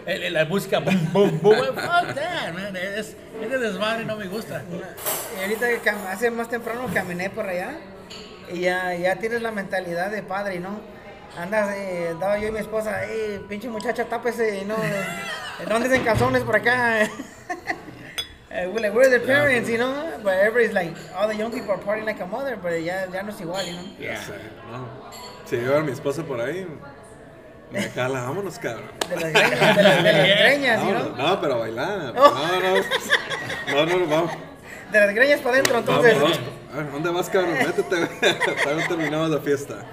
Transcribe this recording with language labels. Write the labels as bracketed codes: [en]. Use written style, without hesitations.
[es] La busca, boom, boom, boom. [en] Fuck that, man. [es] Ese desmadre no me gusta. Y ahorita que hace más temprano caminé por allá y ya tienes la mentalidad de padre, ¿no? Andas, andaba yo y mi esposa, pinche muchacha, tápese, ¿no? ¿Dónde están calzones por acá? [en] We're like, where are their parents, yeah, you know? But everybody's like, all the young people are partying like a mother, but [es] ya no es igual, [en] you know? Yeah. [es] Yeah. Si yo a mi esposa por ahí, me jala, vámonos, cabrón. De las greñas, [en] you know? [es] No, pero bailar. Oh. No, vamos. De las greñas para adentro, entonces. Vamos. A ver, ¿dónde vas, cabrón? Métete. Todavía no terminamos la fiesta.